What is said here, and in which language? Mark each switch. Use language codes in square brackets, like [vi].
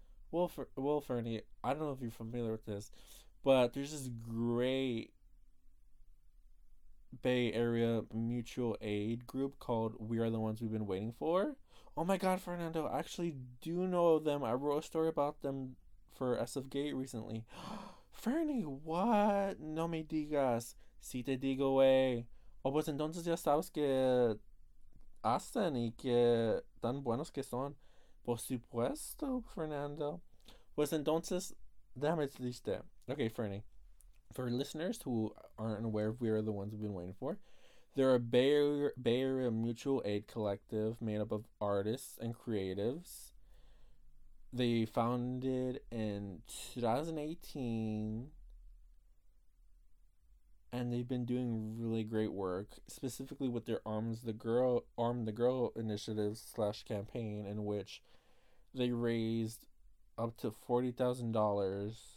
[en] Well, Fernie, I don't know if you're familiar with this, but there's this great Bay Area mutual aid group called We Are the Ones We've Been Waiting For. Oh my God, Fernando, I actually do know them. I wrote a story about them for SF Gate recently. [es] Fernie, [en] what? [es] No me digas. Si te digo, wey. Oh, pues entonces ya sabes que hacen y que tan buenos que son. Por supuesto, Fernando. Pues entonces, déjame decirte. [en] Okay, Fernie. For listeners who aren't aware of We Are the Ones We've Been Waiting For, they're a Bay Area mutual aid collective made up of artists and creatives. They founded in 2018, and they've been doing really great work, specifically with their Arm the Girl initiative slash campaign, in which they raised up to $40,000